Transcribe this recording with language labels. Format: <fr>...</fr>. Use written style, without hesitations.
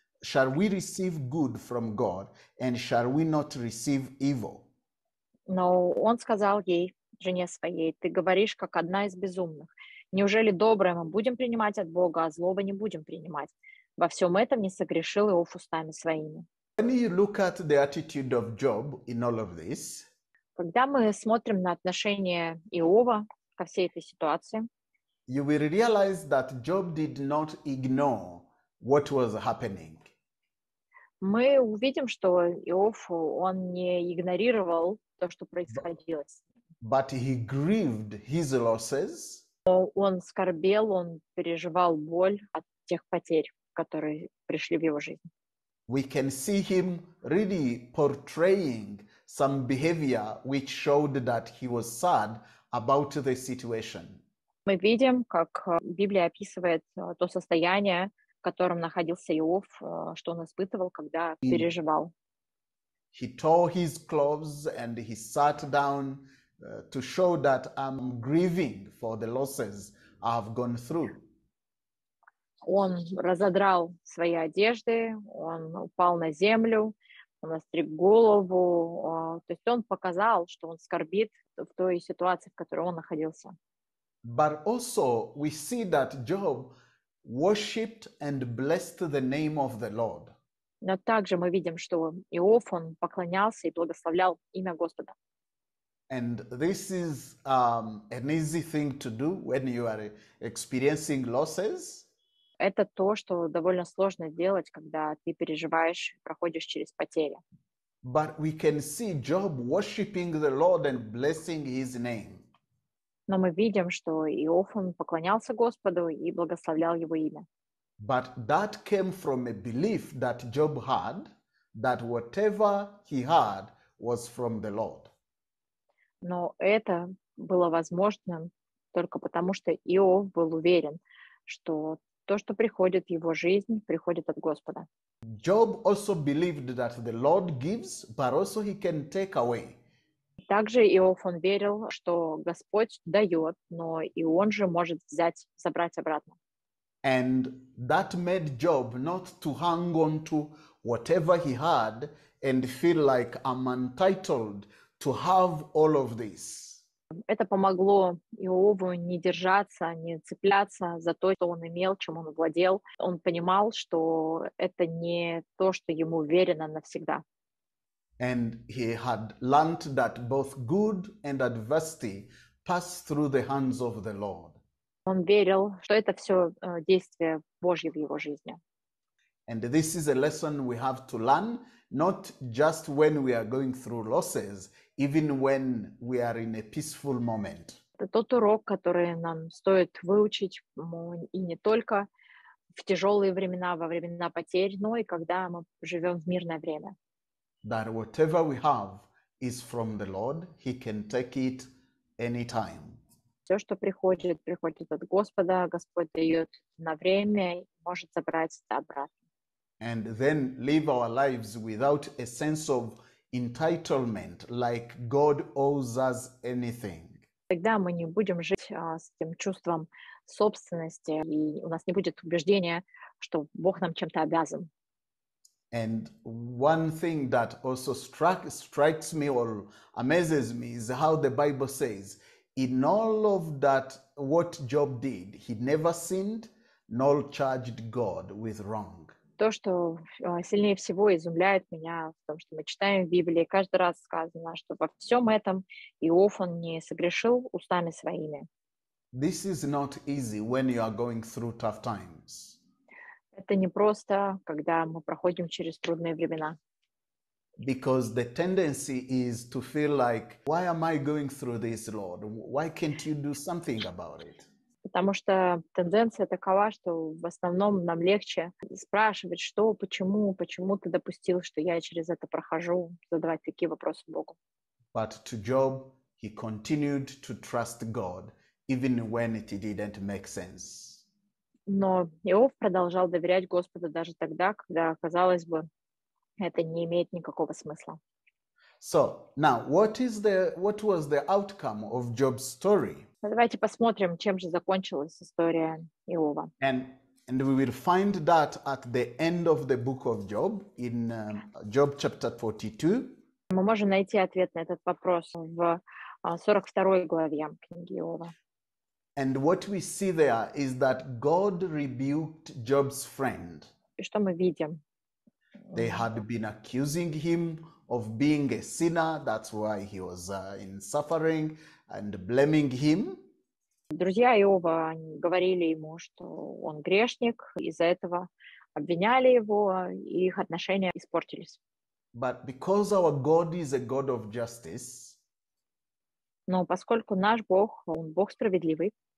<en>Shall we receive good from God, and shall we not receive evil?</en> <ru>Но он сказал ей, жене своей, Ты говоришь, как одна из безумных. Неужели доброе мы будем принимать от Бога, а злого не будем принимать? Во всем этом не согрешил Иов устами своими.</ru> <en>When you look at the attitude of Job in all of this,</en> <ru>когда мы смотрим на отношение Иова ко всей этой ситуации,</ru> <en>you will realize that Job did not ignore what was happening.</en> <ru>Мы увидим, что Иов, он не игнорировал то, что происходило.</ru> <en>But he grieved his losses.</en> <ru>Он скорбел, он переживал боль от тех потерь, которые пришли в его жизнь.</ru> <en>We can see him really portraying some behavior which showed that he was sad about the situation.</en> <ru>Мы видим, как Библия описывает то состояние, в котором находился Иов, что он испытывал, когда переживал.</ru> <en>He tore his clothes and he sat down to show that I'm grieving for the losses I've gone through.</en> <ru>Он разодрал свои одежды, он упал на землю, он остриг голову, то есть он показал, что он скорбит в той ситуации, в которой он находился.</ru> <en>But also we see that Job worshipped and blessed the name of the Lord.</en> <ru>Но также мы видим, что Иов, он поклонялся и благословлял имя Господа.</ru> <en>And this is an easy thing to do when you are experiencing losses.</en> <ru>Это то, что довольно сложно делать, когда ты переживаешь, проходишь через потери.</ru> <en>But we can see Job worshiping the Lord and blessing his name.</en> <ru>Но мы видим, что Иов поклонялся Господу и благословлял его имя.</ru> <en>But that came from a belief that Job had, that whatever he had was from the Lord.</en> <ru>Но это было возможно только потому, что Иов был уверен, что то, что приходит в его жизнь, приходит от Господа.</ru> <en>Job also believed that the Lord gives, but also he can take away.</en> <ru>Также Иов, он верил, что Господь дает, но и он же может взять, забрать обратно.</ru> <en>And that made Job not to hang on to whatever he had and feel like I'm entitled to have all of this.</en> <ru>Это помогло Иову не держаться, не цепляться за то, что он имел, чем он владел. Он понимал, что это не то, что ему верено навсегда.</ru> <en>And he had learned that both good and adversity pass through the hands of the Lord.</en> <ru>Он верил, что это все действие Божье в его жизни.</ru> <en>And this is a lesson we have to learn, not just when we are going through losses, even when we are in a peaceful moment.</en> <ru>это тот урок, который нам стоит выучить, и не только в тяжелые времена, во времена потерь, но и когда мы живем в мирное время.</ru> <en>That whatever we have is from the Lord, He can take it anytime.</en> <ru>Все, что приходит, приходит от Господа, Господь дает на время, может забрать это обратно.</ru> <en>And then live our lives without a sense of entitlement, like God owes us anything.</en> <ru>Тогда мы не будем жить с этим чувством собственности, и у нас не будет убеждения, что Бог нам чем-то обязан.</ru> <en>And one thing that also strikes me or amazes me is how the Bible says, in all of that, what Job did, he never sinned nor charged God with wrong.</en> <ru>То, что сильнее всего изумляет меня в том, что мы читаем в Библии, каждый раз сказано, что во всем этом Иов он не согрешил устами своими.</ru> <en>This is not easy when you are going through tough times.</en> <ru>Это не просто, когда мы проходим через трудные времена.</ru> <en>Because the tendency is to feel like, why am I going through this, Lord? Why can't you do something about it?</en> <ru>Потому что тенденция такова, что в основном нам легче спрашивать, что, почему ты допустил, что я через это прохожу, задавать такие вопросы Богу.</ru> <en>But to Job, he continued to trust God, even when it didn't make sense.</en> <ru>Но Иов продолжал доверять Господу даже тогда, когда, казалось бы, это не имеет никакого смысла.</ru> <en>So, now, what was the outcome of Job's story?</en> <ru>Давайте посмотрим, чем же закончилась история Иова.</ru> <en>And we will find that at the end of the book of Job, in Job chapter 42.</en> <ru>Мы можем найти ответ на этот вопрос в 42 главе книги Иова.</ru> <en>And what we see there is that God rebuked Job's friend.</en> <ru>И что мы видим?</ru> <en>They had been accusing him of being a sinner. That's why he was in suffering and blaming him.</en> <ru>Друзья Иова говорили ему, что он грешник, из-за этого обвиняли его, и их отношения испортились.</ru> <en>But because our God is a God of justice,</en> <ru>но поскольку наш Бог, он Бог справедливый,</ru>